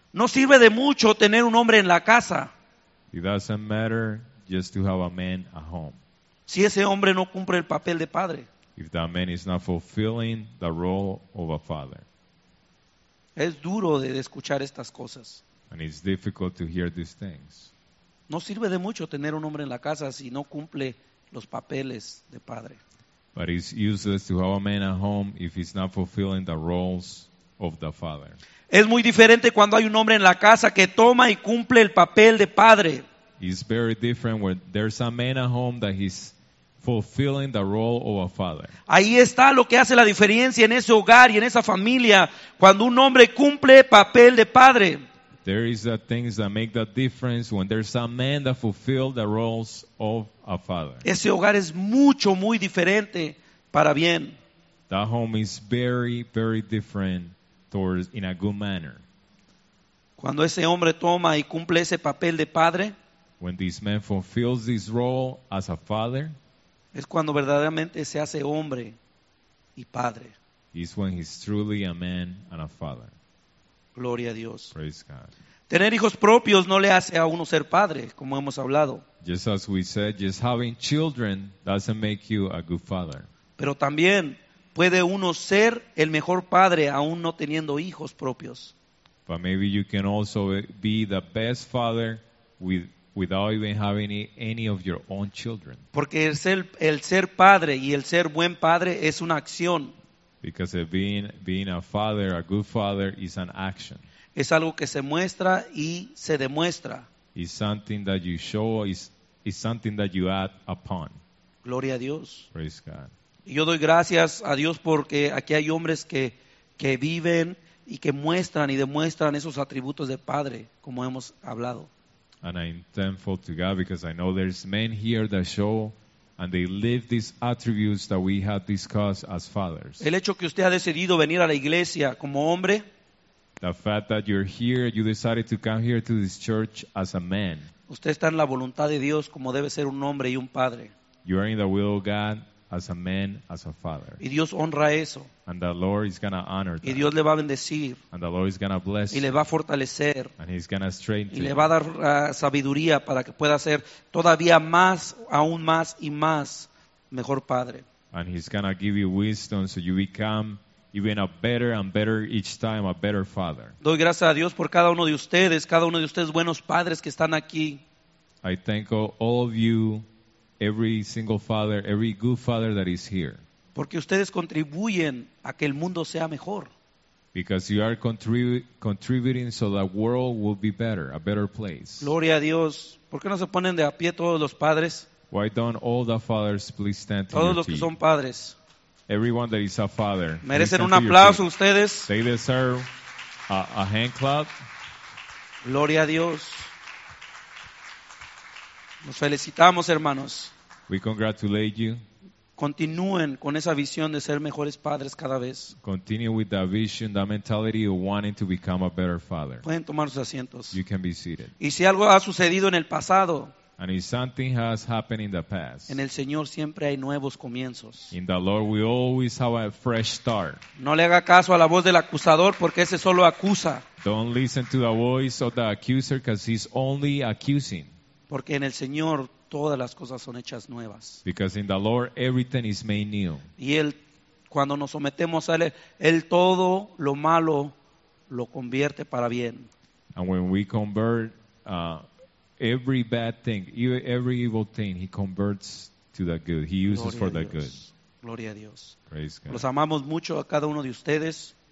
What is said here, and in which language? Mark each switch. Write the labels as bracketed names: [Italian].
[Spanish] No sirve de mucho tener un hombre en la casa. [English] It doesn't matter just to have a man at home. [Spanish] Si ese hombre no cumple el papel de padre. [English] If that man is not fulfilling the role of a father. [Spanish] Es duro de escuchar estas cosas. [English] And it's difficult to hear these things. [Spanish] No sirve de mucho tener un hombre en la casa si no cumple los papeles de padre. [English] But it's useless to have a man at home if he's not fulfilling the roles of the father. [Spanish] Es muy diferente cuando hay un hombre en la casa que toma y cumple el papel de padre. [English] It's very different when there's a man at home that he's fulfilling the role of a father. [Spanish] Ahí está lo que hace la diferencia en ese hogar y en esa familia cuando un hombre cumple papel de padre. [English] There is that things that make that difference when there's a man that fulfills the roles of a father. [Spanish] Ese hogar es mucho, muy diferente para bien. [English] That home is very, very different towards in a good manner. [Spanish] Cuando ese hombre toma y cumple ese papel de padre, [English] when this man fulfills this role as a father, [Spanish] es cuando verdaderamente se hace hombre y padre. [English] Is when he's truly a man and a father. [Spanish] Gloria a Dios. [English] Praise God. [Spanish] Tener hijos propios no le hace a uno ser padre, como hemos hablado. [English] Just as we said, just having children doesn't make you a good father. [Spanish] Pero también puede uno ser el mejor padre aún no teniendo hijos propios. [English] But maybe you can also be the best father without even having any of your own children. [Spanish] Porque el ser padre y el ser buen padre es una acción. [English] Because being a father, a good father, is an action. [Spanish] Es algo que se muestra y se demuestra. [English] It's something that you show, it's something that you act upon. [Spanish] Gloria a Dios. [English] Praise God. [Spanish] Y yo doy gracias a Dios porque aquí hay hombres que viven y que muestran y demuestran esos atributos de padre, como hemos hablado. [English] And I'm thankful to God because I know there's men here that show and they live these attributes that we have discussed as fathers. [Spanish] El hecho que usted ha decidido venir a la iglesia como hombre, [English] the fact that you're here, you decided to come here to this church as a man. [Spanish] Usted está en la voluntad de Dios como debe ser un hombre y un padre. [English] You are in the will of God as a man, as a father. [Spanish] Y Dios honra eso. [English] And the Lord is going to honor that. [Spanish] Y Dios le va a bendecir. [English] And the Lord is going to bless [Spanish] y le va a fortalecer. [English] And he's going to strengthen [Spanish] y le va a dar sabiduría para que pueda ser todavía más, aún más y más mejor padre. [English] And he's going to give you wisdom so you become even a better and better each time, a better father. [Spanish] Doy gracias a Dios por cada uno de ustedes buenos padres que están aquí. [English] I thank all of you, every single father, every good father that is here. [Spanish] Porque ustedes contribuyen a que el mundo sea mejor. [English] Because you are contributing so the world will be better, a better place. [Spanish] Gloria a Dios. ¿Por qué no se ponen de a pie todos los padres? [English] Why don't all the fathers please stand to [Spanish] todos [English] your [Spanish] los [English] feet. [Spanish] Que son padres. [English] Everyone that is a father. [Spanish] Merecen un aplauso ustedes. [English] They deserve a hand clap. [Spanish] Gloria a Dios. Nos felicitamos, hermanos. [English] We congratulate you. [Spanish] Continúen con esa visión de ser mejores padres cada vez. [English] Continue with that vision, that mentality of wanting to become a better father. [Spanish] Pueden tomar sus asientos. [English] You can be seated. [Spanish] Y si algo ha sucedido en el pasado, [English] and if something has happened in the past, [Spanish] en el Señor siempre hay nuevos comienzos. [English] In the Lord we always have a fresh start. [Spanish] No le haga caso a la voz del acusador porque ese solo acusa. [English] Don't listen to the voice of the accuser because he's only accusing. [Spanish] Porque en el Señor todas las cosas son hechas nuevas. [English] Because in the Lord everything is made new. [Spanish] Y él, cuando nos sometemos a él, él todo lo malo lo convierte para bien. [English] And when we convert every bad thing, every evil thing, he converts to the good. He uses for the good. [Spanish] Gloria a Dios. [English] Praise God. [Spanish] Los amamos mucho a cada uno de ustedes.